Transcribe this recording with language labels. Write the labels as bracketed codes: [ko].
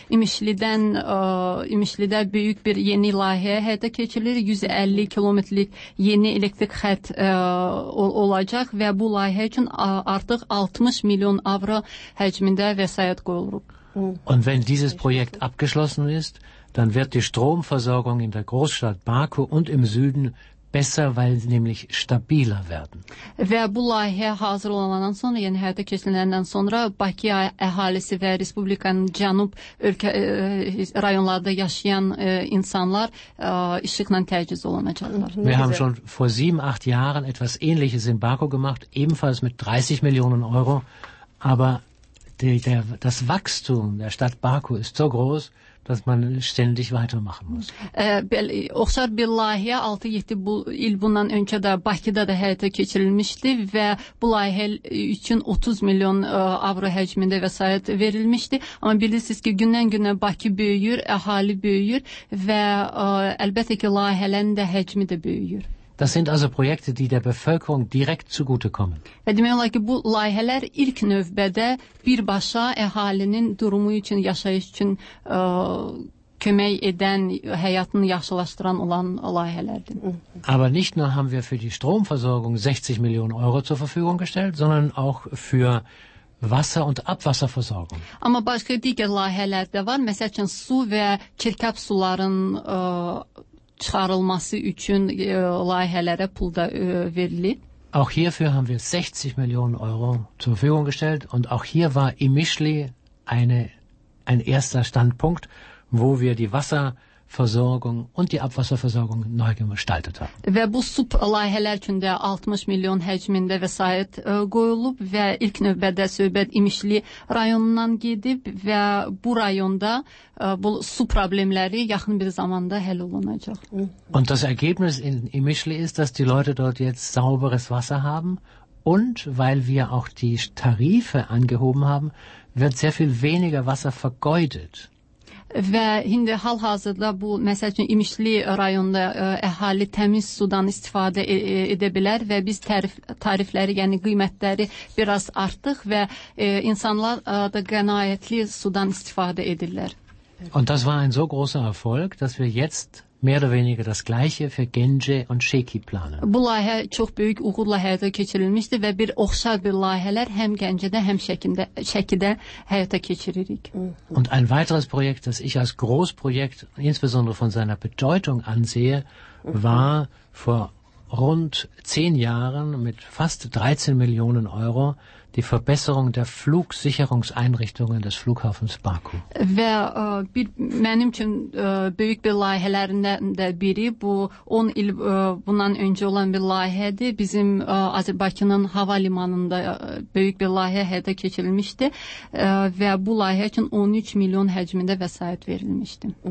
[az] İmişlidən, İmişlidə böyük bir yeni layihə həyata keçirilir. 150 kilometrlik yeni elektrik xətt olacaq və bu layihə üçün artıq 60 milyon avro həcmində vəsait qoyulub. [de] Und wenn dieses Projekt abgeschlossen ist, dann wird die Stromversorgung in der Großstadt Baku und im Süden besser, weil sie nämlich stabiler werden. [az] Wer bu layihə hazır olandan sonra, yəni həyata keçirilənlərindən sonra Bakı əhalisi və respublikanın cənub ölkə rayonlarında yaşayan insanlar işıqla təchiz olunacaqlar. [de] Wir haben schon vor 7-8 Jahren etwas ähnliches in Baku gemacht, ebenfalls mit 30 Millionen Euro, aber das Wachstum der Stadt Baku ist so groß, dass man ständig weitermachen muss. [az] Oxşar bir layihə 6-7 il bundan öncə də Bakıda da həyata keçirilmişdi və bu layihə üçün 30 milyon avro həcmində vəsait verilmişdi. Amma bilirsiniz ki, gündən-günə Bakı böyüyür, əhali böyüyür və əlbəttə ki, layihələrin də həcmi də böyüyür. [de] Das sind also Projekte, die der Bevölkerung direkt zugute kommen. [az] Və demək olar ki, bu layihələr ilk növbədə birbaşa əhalinin durumu üçün, yaşayış üçün kömək edən, həyatını yaxşılaşdıran olan layihələrdir. [de] Aber nicht nur haben wir für die Stromversorgung 60 Millionen Euro zur Verfügung gestellt, sondern auch für Wasser- und Abwasserversorgung. [az] Amma başqa digər layihələr də var, məsəl üçün su və çirkab suların çıxarılması üçün layihələrə pul da verilir. [de] Auch hierfür haben wir 60 Millionen Euro zur Verfügung gestellt und auch hier war [en] initially [de] ein erster Standpunkt, wo wir die Wasserversorgung und die Abwasserversorgung neu gestaltet haben. [az] Ve bu su layihələr üçün də 60 milyon həcmində vəsait qoyulub və ilk növbədə söhbət İmişli rayonundan gedib və bu rayonda bu su problemləri yaxın bir zamanda həll olunacaq. [de] Und das Ergebnis in İmişli ist, dass die Leute dort jetzt sauberes Wasser haben und weil wir auch die Tarife angehoben haben, wird sehr viel weniger Wasser vergeudet. [az] Və indi hal-hazırda bu, məsəl üçün, İmişli rayonunda əhali təmiz sudan istifadə edə bilər və biz tarifləri, yəni qiymətləri biraz artdıq və insanlar da qənaətli sudan istifadə edirlər. [de] Und das war ein so großer Erfolg, dass wir jetzt mehr oder weniger das gleiche für Gence und Şeki planen. [az] Bu layihə çox böyük uğurla həyata keçirilmişdi və bir oxşar bir layihələr həm Gəncədə, həm Şəkidə həyata keçiririk. [de] Und ein weiteres Projekt, das ich als Großprojekt insbesondere von seiner Bedeutung ansehe, war vor rund 10 Jahren mit fast 13 Millionen Euro die Verbesserung der Flugsicherungseinrichtungen des Flughafens Baku. [az] Bir mənim üçün böyük bir layihələrindən də biri bu 10 il bundan öncə olan bir layihədir. Bizim Azərbaycanın hava limanında böyük bir layihə həyata keçirilmişdi və bu layihə üçün 13 milyon həcmində vəsait verilmişdi.